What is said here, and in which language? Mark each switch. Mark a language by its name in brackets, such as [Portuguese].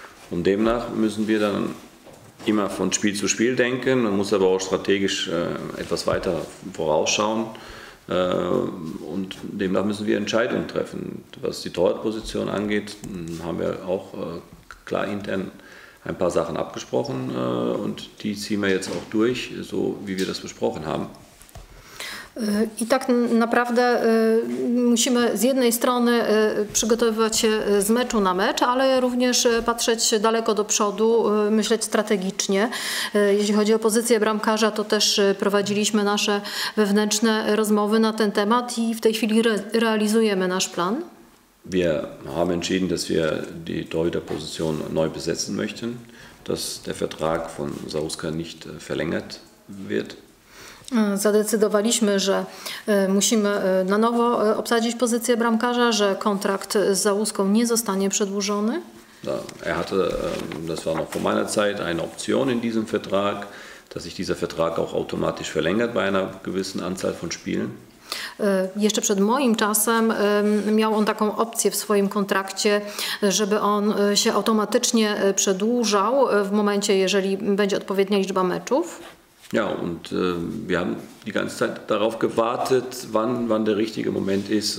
[German] Und demnach müssen wir dann immer von Spiel zu Spiel denken, man muss aber auch strategisch etwas weiter vorausschauen. Und demnach müssen wir Entscheidungen treffen. Was die Torwartposition angeht, haben wir auch klar intern ein paar Sachen abgesprochen und die ziehen wir jetzt auch durch, so wie wir das besprochen haben. [Polish] I tak naprawdę musimy z jednej strony przygotowywać się z meczu na mecz, ale również patrzeć daleko do przodu, myśleć strategicznie. Jeśli chodzi o pozycję bramkarza, to też prowadziliśmy nasze wewnętrzne rozmowy na ten temat i w tej chwili realizujemy nasz plan. [German] Wir haben entschieden, dass wir die Torhüterposition neu besetzen möchten, dass der Vertrag von Sauska nicht verlängert wird. [Polish] Zadecydowaliśmy, że musimy na nowo obsadzić pozycję bramkarza, że kontrakt z Załuską nie zostanie przedłużony. [German] Er hatte, das war noch vor meiner Zeit, eine Option in diesem Vertrag, dass sich dieser Vertrag auch automatisch verlängert bei einer gewissen Anzahl von Spielen. [Polish] Jeszcze przed moim czasem miał on taką opcję w swoim kontrakcie, żeby on się automatycznie przedłużał w momencie, jeżeli będzie odpowiednia liczba meczów. [German] Ja, und wir haben die ganze Zeit darauf gewartet, wann der richtige Moment ist.